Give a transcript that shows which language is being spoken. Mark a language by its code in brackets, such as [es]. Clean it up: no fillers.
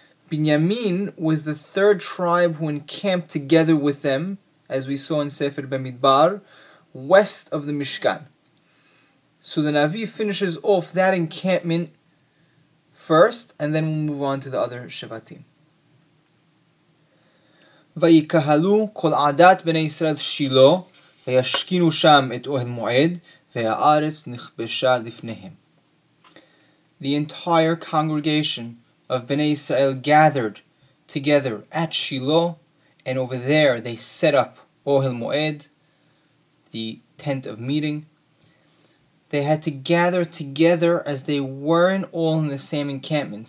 [en] Binyamin was the third tribe who encamped together with them, as we saw in Sefer Bamidbar, west of the Mishkan. So the Navi finishes off that encampment first, and then we'll move on to the other Shevatim. [he] ויקהלו כל עדת בני ישראל שילו וישכינו שם את אוהל מועד והארץ נכבשה לפניהם. [en] The entire congregation of Bnei Israel gathered together at Shiloh, and over there they set up Ohel Moed, the tent of meeting. They had to gather together as they weren't all in the same encampment.